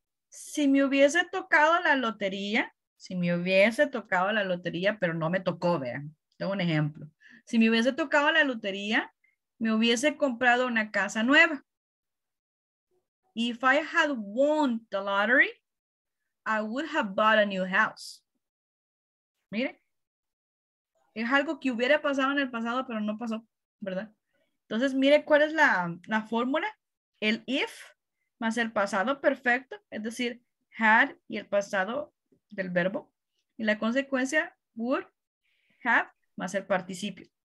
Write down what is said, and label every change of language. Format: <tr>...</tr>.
<es>Si me hubiese tocado la lotería, pero no me tocó, vea, tengo un ejemplo. Si me hubiese tocado la lotería, me hubiese comprado una casa nueva.</es> <en>If I had won the lottery, I would have bought a new house.</en> <es>Mire. Es algo que hubiera pasado en el pasado, pero no pasó, ¿verdad? Entonces, mire cuál es la fórmula. El if más el pasado perfecto, es decir, had y el pasado del verbo. Y la consecuencia, would have más el participio.</es>